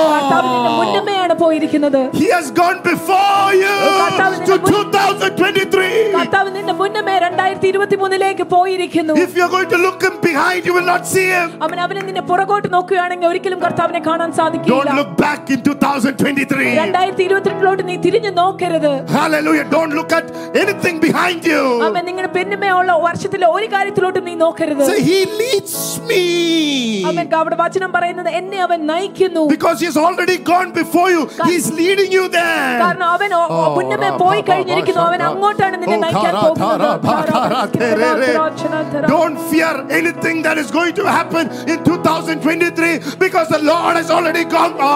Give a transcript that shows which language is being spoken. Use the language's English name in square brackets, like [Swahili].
[Malayalam] കർത്താവ് നിന്റെ മുന്നമേയാണ് പോയിരിക്കുന്നത് [English] he has gone before you to 2023 [Malayalam] കർത്താവ് നിന്റെ മുന്നമേ 2023 ലേക്ക് പോയിരിക്കുന്നു [English] if you are going to look him behind you will not see him [Malayalam] അമ്മേ അവനെ നിന്റെ പുറകോട്ട് നോക്കുകയാണെങ്കിൽ ഒരിക്കലും കർത്താവിനെ കാണാൻ സാധിക്കില്ല [English] don't look back into 2023 2023. Hallelujah. Don't look at anything behind you. Amen. [Malayalam] നിങ്ങളുടെ പിന്നമേ ഉള്ള വർഷത്തിലെ ഒരു കാര്യത്തിലോട്ട് നീ നോക്കരുത്. [English] So he leads me. [Malayalam] അവൻ കവടെ വചനം പറയുന്നത് എന്നെ അവൻ നയിക്കുന്നു. [English] Because he has already gone before you. He is leading you there. [Malayalam] കാരണം അവൻ പിന്നമേ പോയി കഴിഞ്ഞിരിക്കുന്നു. അവൻ അങ്ങോട്ടാണ് നിന്നെ നയിക്കാൻ പോകുന്നത്. [English] Don't fear anything that is going to happen in 2023 because the Lord has already gone.